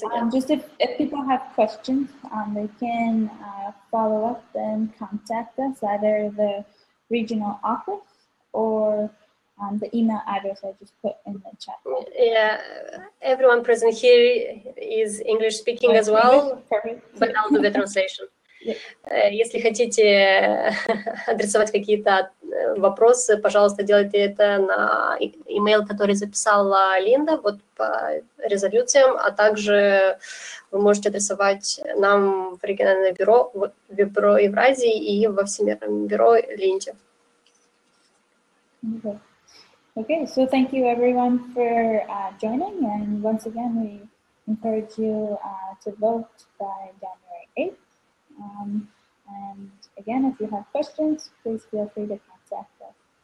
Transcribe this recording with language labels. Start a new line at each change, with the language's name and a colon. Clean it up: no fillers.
English: Just if people have questions, they can follow up and contact us, either the regional office or the email address I just put in the chat. Yeah, everyone present here is English speaking as well, perfect. But I'll do the translation.
Russian: Если хотите адресовать какие-то вопросы, пожалуйста, делайте это на имейл, который записала Линда, вот по резолюциям, а также вы можете адресовать нам в региональное бюро, в бюро Евразии и во Всемирном бюро Линде.
English: Okay, so thank you everyone for joining, and once again we encourage you to vote by January 8th. And again, if you have questions, please feel free to contact us.